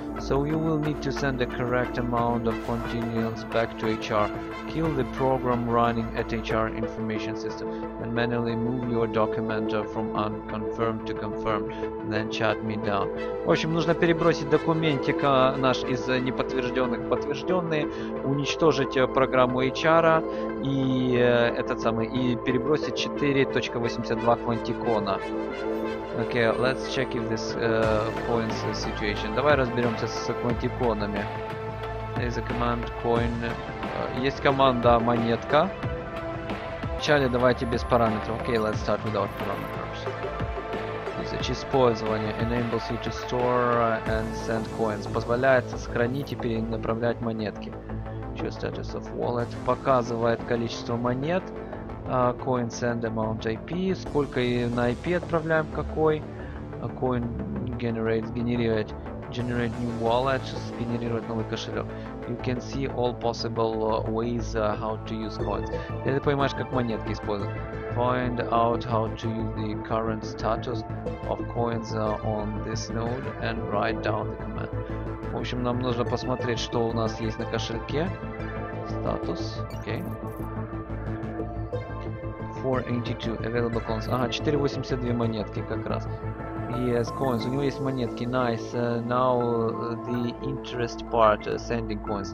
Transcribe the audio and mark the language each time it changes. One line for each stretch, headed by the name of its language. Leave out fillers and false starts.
English: So you will need to send the correct amount of continuance back to HR. Kill the program running at HR information system and manually move your document from unconfirmed to confirmed. Then chat me down.
Russian: В общем, нужно перебросить документик наш из неподтвержденных в подтвержденные, уничтожить программу HR и этот самый и перебросить 4.82 квантикона.
English: Okay, let's check if this coins situation.
Russian: Давай разберемся с квантиконами.
English: There is a command coin.
Russian: Есть команда монетка. Вначале давайте без параметров.
English: Okay, let's start without parameters. Usage
Russian: использование
English: enables you to store and send coins.
Russian: Позволяет сохранить и перенаправлять монетки.
English: Show status of wallet.
Russian: Показывает количество монет.
English: Coin send amount IP.
Russian: Сколько на IP отправляем, какой.
English: Coin generate.
Russian: Генерировать.
English: Generate new wallet.
Russian: Сгенерировать новый кошелек.
English: You can see all possible ways how to use coins.
Russian: И ты понимаешь, как монетки использовать.
English: Find out how to use the current status of coins on this node and write down the command.
Russian: В общем, нам нужно посмотреть, что у нас есть на кошельке.
English: Status. Okay. 482 available coins.
Russian: Ага, 482 монетки как раз.
English: Yes, coins.
Russian: У него есть монетки.
English: Nice. Now the interest part. Sending coins.